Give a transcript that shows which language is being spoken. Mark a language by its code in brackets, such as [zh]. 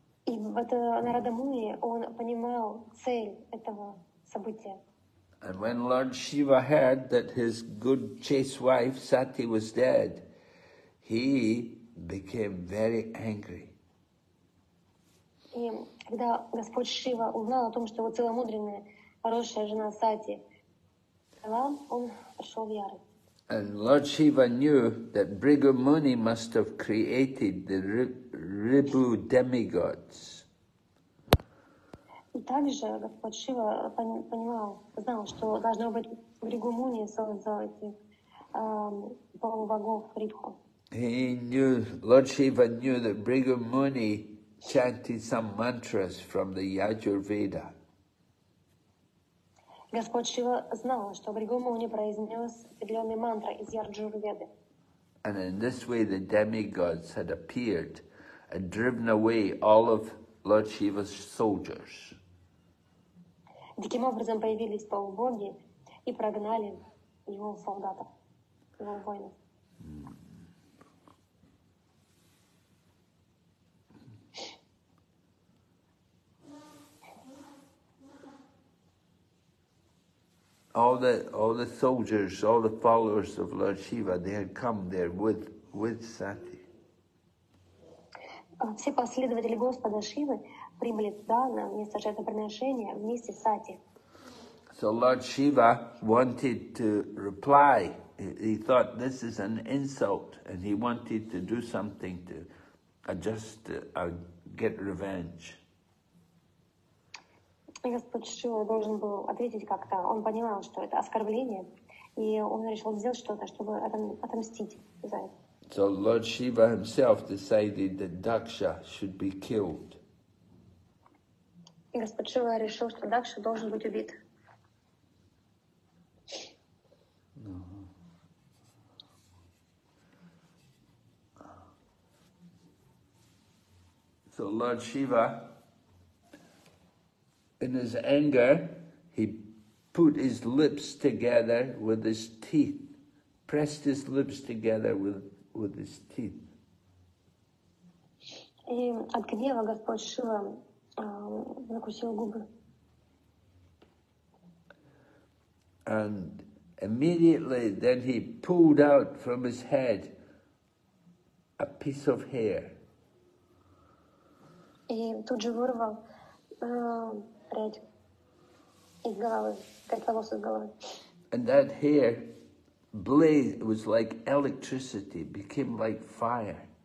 [ru] И вот Нарада Муни, он понимал цель этого события. [en] And when Lord Shiva heard that his good chaste wife Sati was dead, he became very angry. [ru] И когда Господь Шива узнал о том, что его целомудренная, хорошая жена Сати, он пришел в ярость. [en] And Lord Shiva knew that Bhrigu Muni must have created the Ribhu demigods. [ru] И также Господь Шива понимал, знал, что должно быть Бригу Муни создал этих полубогов Ридху. [en] He knew, Lord Shiva knew that Bhrigu Muni chanted some mantras from the Yajurveda. [ru] Господь Шива знал, что Бригу Муни произнес определенные мантры из Яджурведы. [en] And in this way the demigods had appeared and driven away all of Lord Shiva's soldiers. [ru] Таким образом появились полубоги и прогнали его солдатов, его воинов. [en] All the soldiers, all the followers of Lord Shiva, they had come there with Sati. [ru] Все последователи Господа Шивы прибыли туда на место жертвоприношения вместе с Сати. [en] So Lord Shiva wanted to reply. He thought this is an insult, and he wanted to do something to adjust, get revenge. [ru] Господь Шива должен был ответить как-то. Он понимал, что это оскорбление, и он решил сделать что-то, чтобы отомстить за это. [en] So Lord Shiva himself decided that Daksha should be killed. [ru] И Господь Шива решил, что Дакша должен быть убит. [en] So Lord Shiva, in his anger, he put his lips together with his teeth, pressed his lips together with his teeth. [ru] И от гнева Господь Шива закусил губы. [en] And immediately then he pulled out from his head a piece of hair. [ru] И тут же вырвал прядь из головы, прядь волос из головы. [en] And that hair blaze, it was like electricity, became like fire.